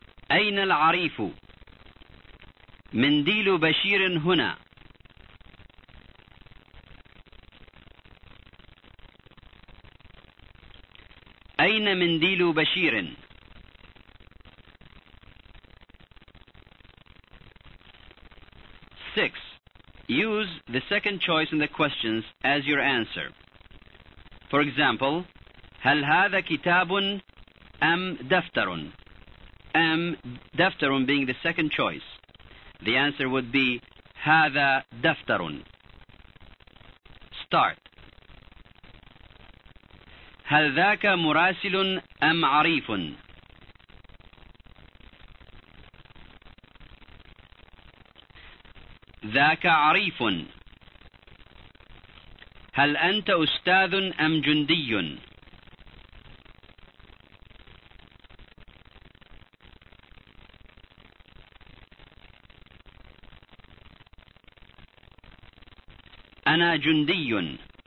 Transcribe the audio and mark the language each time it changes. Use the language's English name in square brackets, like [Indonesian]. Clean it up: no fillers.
[Arabic] أين العريف؟ منديل بشير هنا. أين منديل بشير؟ [English] Six. Use the second choice in the questions as your answer. For example, [Arabic] هل هذا كتاب أم دفتر؟ أم دفتر [English] being the second choice. The answer would be [Arabic] هذا دفتر. [English] Start. [Arabic] هل ذاك مراسل أم عريف؟ ذاك عريف. هل أنت أستاذ أم جندي؟ أنا جندي.